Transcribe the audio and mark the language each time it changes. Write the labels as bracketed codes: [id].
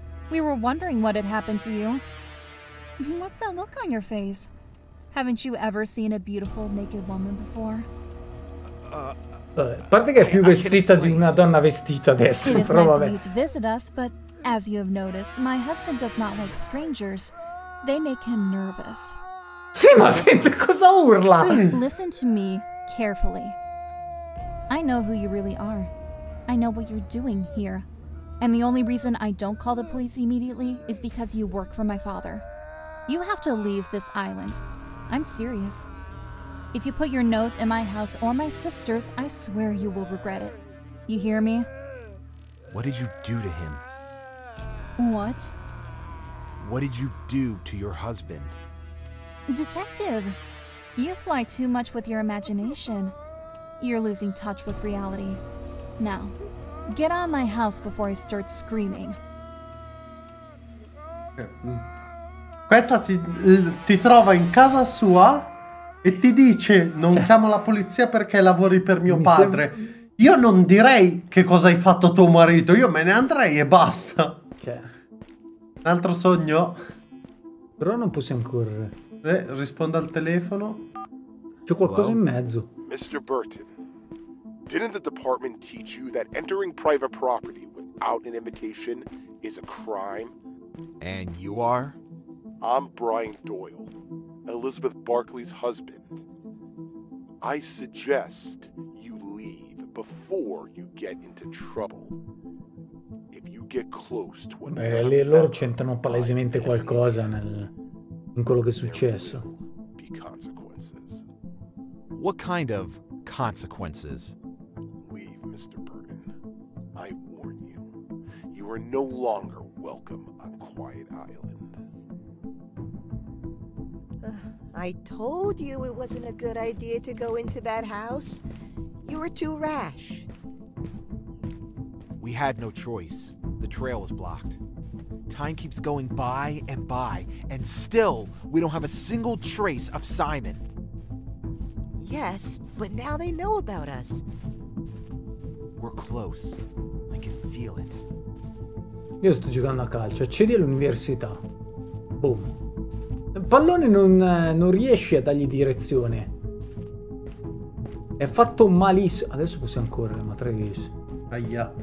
[en] We were wondering what had happened to you. What's that look on your face? Haven't you ever seen a beautiful naked woman before? [it] A parte che è più vestita di una donna vestita adesso, però vabbè. [en] It is nice of you to visit us, but as you have noticed, my husband does not like strangers. They make him nervous. [it] Sì, ma senti cosa urla! [en] Listen to me carefully. I know who you really are. I know what you're doing here. And the only reason I don't call the police immediately is because you work for my father. You have to leave this island. I'm serious. If you put your nose in my house or my sister's, I swear you will regret it. You hear me? What did you do to him? What? What did you do to your husband? Detective, you fly too much with your imagination. You're losing touch with reality. Now, get out of my house before I start screaming. [it] Questa ti trova in casa sua e ti dice non chiamo la polizia perché lavori per mio padre. Io non direi che cosa hai fatto tuo marito, io me ne andrei e basta. Un altro sogno. Però non possiamo correre. Risponde al telefono. C'è qualcosa in mezzo. [en] Mr. Burton, didn't the department teach you that entering private property without an invitation is a crime? And you are? I'm Brian Doyle, Elizabeth Barkley's husband. I suggest you leave before you get into trouble. If you get close to an... [it] Beh, lì loro c'entrano palesemente qualcosa in quello che è successo. [en] Consequences. What kind of consequences? Leave, Mr. Burton. I warn you. You are no longer welcome on Quiet Island. I told you it wasn't a good idea to go into that house. You were too rash. We had no choice. The trail was blocked. Time keeps going by and by, and still we don't have a single trace of Simon. Yes, but now they know about us. We're close. I can feel it. [it] Io sto giocando a calcio. Accedi all'università. Boom. Pallone non riesce a dargli direzione. È fatto malissimo. Adesso possiamo correre, ma Travis. Aia.